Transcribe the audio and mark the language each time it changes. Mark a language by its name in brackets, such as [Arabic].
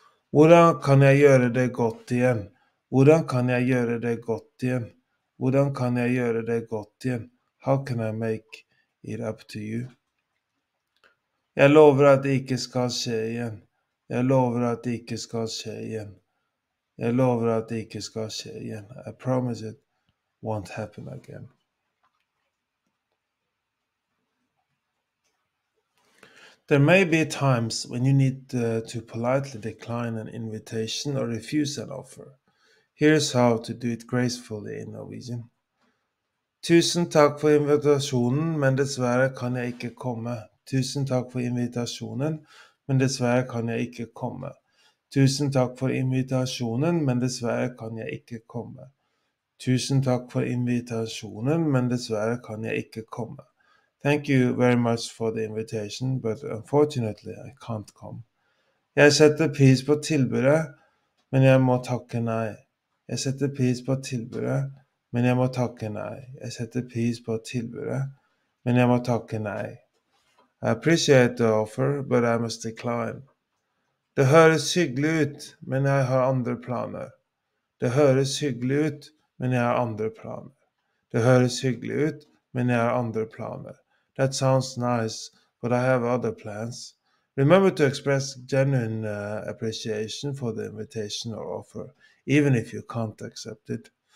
[Norwegian] Hvordan kan jeg gjøre det godt igjen? Hvordan kan jeg gjøre det godt igjen? Hvordan kan jeg gjøre det godt igjen? [English] How can I make it up to you? [Norwegian] Jeg lover at det ikke skal skje igjen. Jeg lover at det ikke skal skje igjen. Jeg lover at det ikke skal skje igjen. [English] I promise it won't happen again. There may be times when you need to politely decline an invitation or refuse an offer. Here's how to do it gracefully in Norwegian. [Norwegian] Tusen takk for invitasjonen, men dessverre kan jeg ikke komme. Tusen takk for invitasjonen. Men dessverre kan jeg ikke komme. Tusen takk for invitasjonen, men dessverre kan jeg ikke komme. Tusen takk for invitasjonen, men dessverre kan jeg ikke komme. [English] Thank you very much for the invitation, but unfortunately I can't come. [Norwegian] Jeg setter pris på tilbudet, men jeg må takke nei. Jeg setter pris på tilbudet, men jeg må takke nei. Jeg setter pris på tilbudet, men jeg må takke nei. [English] I appreciate the offer, but I must decline. [Norwegian] Det høres hyggelig ut, men jeg har andre planer. Det høres hyggelig ut, men jeg har andre planer. Det høres hyggelig ut, men jeg har andre planer. [English] That sounds nice, but I have other plans. Remember to express genuine appreciation for the invitation or offer, even if you can't accept it.